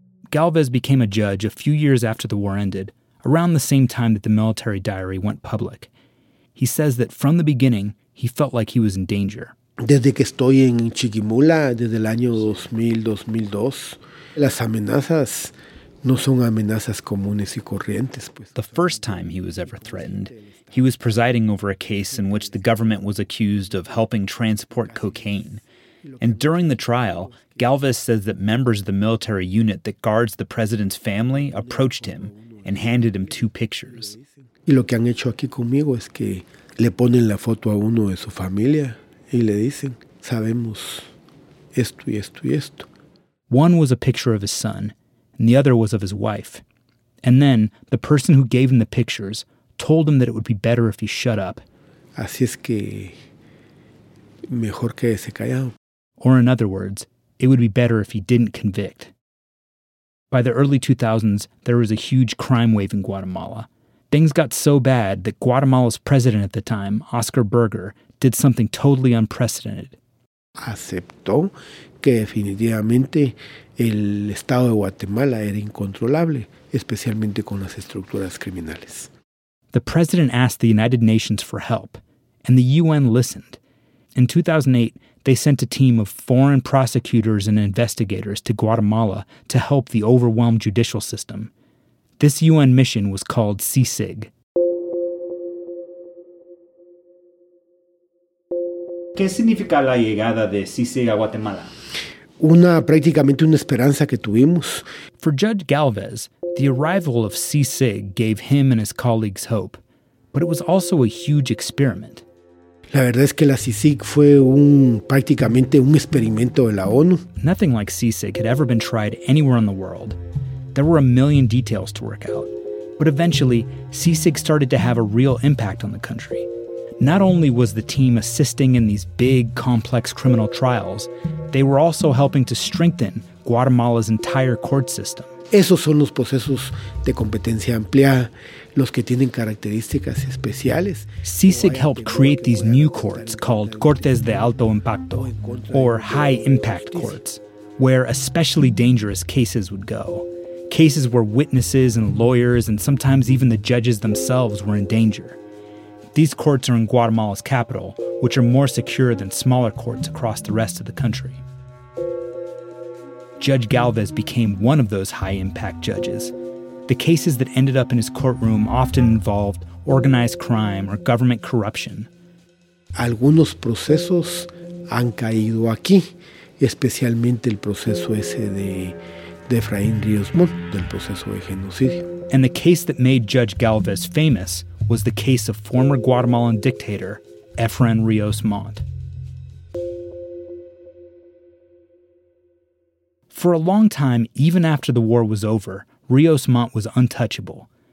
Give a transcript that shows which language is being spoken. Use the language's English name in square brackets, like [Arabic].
[English] Galvez became a judge a few years after the war ended, around the same time that the military diary went public. He says that from the beginning, he felt like he was in danger. [Spanish] Desde que estoy en Chiquimula, desde el año 2000-2002, las amenazas no son amenazas comunes y corrientes. [English] The first time he was ever threatened, he was presiding over a case in which the government was accused of helping transport cocaine. And during the trial, Galvez says that members of the military unit that guards the president's family approached him and handed him two pictures. [Spanish] Y lo que han hecho aquí conmigo es que le ponen la foto a uno de su familia y le dicen, sabemos esto y esto y esto. [English] One was a picture of his son, and the other was of his wife. And then the person who gave him the pictures told him that it would be better if he shut up. [Spanish] Así es que mejor quédese callado. [English] Or in other words, it would be better if he didn't convict. By the early 2000s, there was a huge crime wave in Guatemala. Things got so bad that Guatemala's president at the time, Oscar Berger, did something totally unprecedented. [Spanish] Aceptó que definitivamente el estado de Guatemala era incontrolable, especialmente con las estructuras criminales. [English] The president asked the United Nations for help, and the UN listened. In 2008, they sent a team of foreign prosecutors and investigators to Guatemala to help the overwhelmed judicial system. This UN mission was called CSIG. [Spanish] ¿Qué significa la llegada de CSIG a Guatemala? Una, prácticamente una esperanza que tuvimos. [English] For Judge Galvez, the arrival of CSIG gave him and his colleagues hope, but it was also a huge experiment. [Spanish] La verdad es que la CSIG fue prácticamente un experimento de la ONU. [English] Nothing like CSIG had ever been tried anywhere in the world. There were a million details to work out. But eventually, CSIG started to have a real impact on the country. Not only was the team assisting in these big, complex criminal trials, they were also helping to strengthen Guatemala's entire court system. [Spanish] Esos son los procesos de competencia ampliada, los que tienen características especiales. [English] CSIG helped create these new courts called Cortes de Alto Impacto, or High Impact Courts, where especially dangerous cases would go. Cases where witnesses and lawyers and sometimes even the judges themselves were in danger. These courts are in Guatemala's capital, which are more secure than smaller courts across the rest of the country. Judge Galvez became one of those high-impact judges. The cases that ended up in his courtroom often involved organized crime or government corruption. [Spanish] Algunos procesos han caído aquí, especialmente el proceso ese de Efraín Ríos Montt, del proceso de genocidio. [English] And the case that made Judge Galvez famous was the case of former Guatemalan dictator Efraín Ríos Montt. For a long time, even after the war was over, Ríos Montt was untouchable.